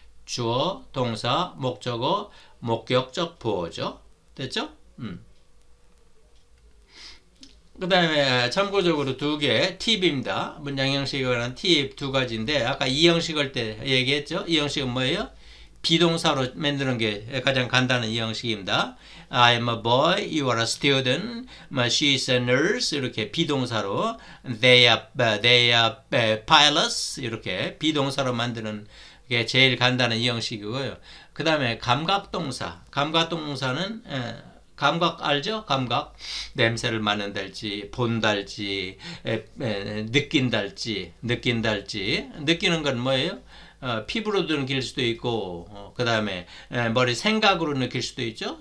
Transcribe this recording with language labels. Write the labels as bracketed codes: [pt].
[ko] 주어, 동사, 목적어, 목격적 보어죠. 됐죠? 그 다음에 참고적으로 두 개, 팁입니다. 문장 형식에 관한 팁 두 가지인데, 아까 2형식을 때 얘기했죠? 2형식은 뭐예요? 비동사로 만드는 게 가장 간단한 2형식입니다. [en] I am a boy, you are a student, she is a nurse, [ko] 이렇게 비동사로, [en] they are pilots, [ko] 이렇게 비동사로 만드는 게 제일 간단한 2형식이고요. 그 다음에 감각동사, 감각동사는 감각 알죠? 감각. 냄새를 맡는달지, 본달지, 느낀달지, 느낀달지. 느끼는 건 뭐예요? 피부로도 느낄 수도 있고, 그 다음에 머리 생각으로 느낄 수도 있죠?